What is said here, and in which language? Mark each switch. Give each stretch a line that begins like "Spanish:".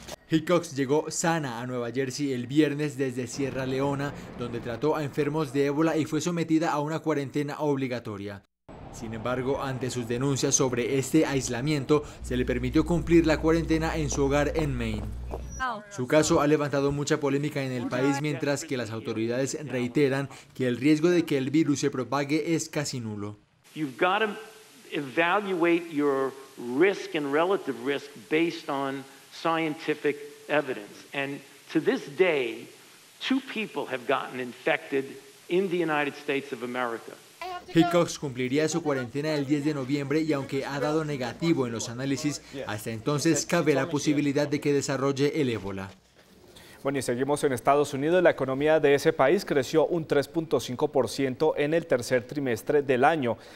Spanish: Hickox llegó sana a Nueva Jersey el viernes desde Sierra Leona, donde trató a enfermos de ébola y fue sometida a una cuarentena obligatoria. Sin embargo, ante sus denuncias sobre este aislamiento, se le permitió cumplir la cuarentena en su hogar en Maine. Su caso ha levantado mucha polémica en el país, mientras que las autoridades reiteran que el riesgo de que el virus se propague es casi nulo.
English: You've got to evaluate your risk and relative risk based on scientific evidence. And to this day, two people have gotten infected in the United States of America.
Spanish: Hickox cumpliría su cuarentena el 10 de noviembre y aunque ha dado negativo en los análisis, hasta entonces cabe la posibilidad de que desarrolle el ébola. Bueno, y seguimos en Estados Unidos. La economía de ese país creció un 3.5% en el tercer trimestre del año.